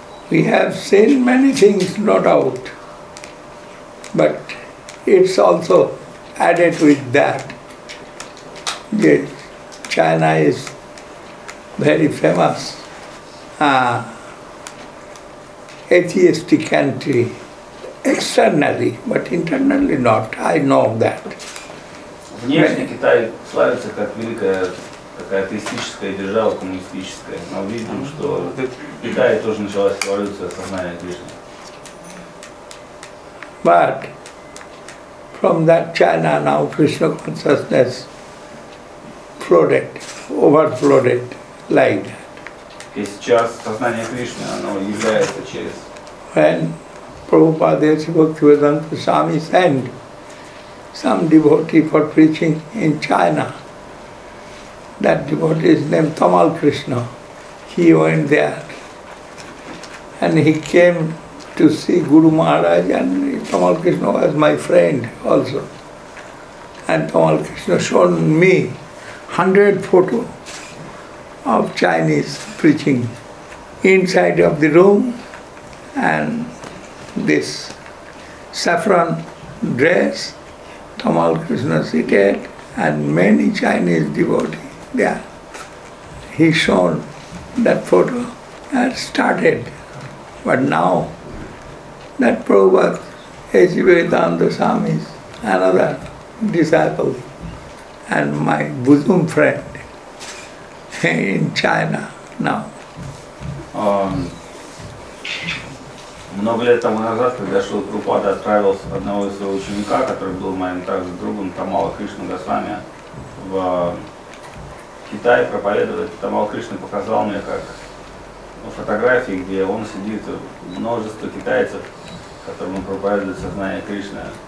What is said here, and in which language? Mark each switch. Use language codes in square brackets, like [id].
[en] We have seen many things, no doubt. But it's also added with that. China is very famous atheistic country externally, but internally not. I know that. [ru] Внешне Китай славится как великая такая атеистическая держава, коммунистическая, но видим, что в Китае тоже началась революция сознания Кришны. [en] But from that China now Krishna consciousness flooded, overflowed like that. [ru] И сейчас сознание Кришны, оно является через... [en] When Prabhupada Sri Bhaktivedanta Swami sent some devotee for preaching in China. That devotee is named Tamal Krishna. He went there and he came to see Guru Maharaj, and Tamal Krishna was my friend also. And Tamal Krishna showed me 100 photos of Chinese preaching inside of the room and this saffron dress. Tamal Krishna seated and many Chinese devotees there. He shown that photo and started. But now that Prabhupada, H. Vedanta Swami, another disciple and my bosom friend in China now. [ru] Много лет тому назад, когда Шрила Прабхупада отправил одного из своего ученика, который был моим также другом, Тамала Кришна Госвами, в Китай проповедовать, Тамал Кришна показал мне как фотографии, где он сидит, множество китайцев, которым проповедует сознание Кришны.